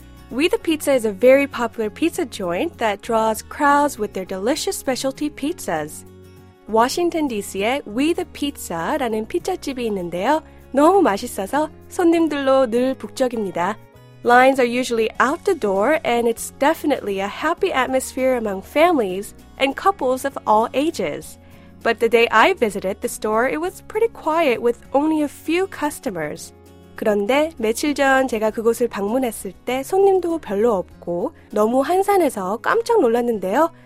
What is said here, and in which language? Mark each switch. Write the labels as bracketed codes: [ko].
[en] We the Pizza is a very popular pizza joint that draws crowds with their delicious specialty pizzas. [ko] Washington DC에 We the Pizza라는 피자집이 있는데요. 너무 맛있어서 손님들로 늘 북적입니다. [en] Lines are usually out the door and it's definitely a happy atmosphere among families and couples of all ages. But the day I visited the store, it was pretty quiet with only a few customers. [ko] 그런데 며칠 전 제가 그곳을 방문했을 때 손님도 별로 없고 너무 한산해서 깜짝 놀랐는데요.